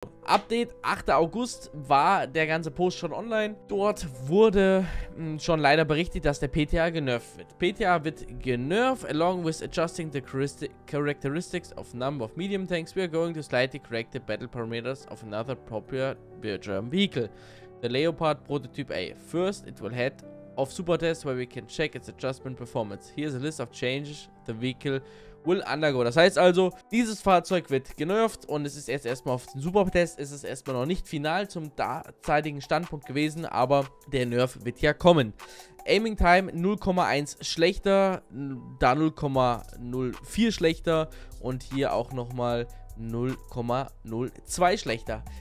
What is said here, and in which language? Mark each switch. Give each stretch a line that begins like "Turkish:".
German: Update 8. August war der ganze Post schon online. Dort wurde schon leider berichtet, dass der PTA genervt wird. PTA wird genervt,
English: along with adjusting the characteristics of number of medium tanks, we are going to slightly correct the battle parameters of another popular German vehicle, the Leopard Prototype A. First, it will head off super test, where we can check its adjustment performance. Here is a list of changes the vehicle will undergo.
German: Das heißt also, dieses Fahrzeug wird genervt und es ist jetzt erstmal auf den Supertest. Es ist erstmal noch nicht final zum derzeitigen Standpunkt gewesen, aber der Nerf wird ja kommen. Aiming Time 0,1 schlechter, da 0,04 schlechter und hier auch nochmal 0,02 schlechter.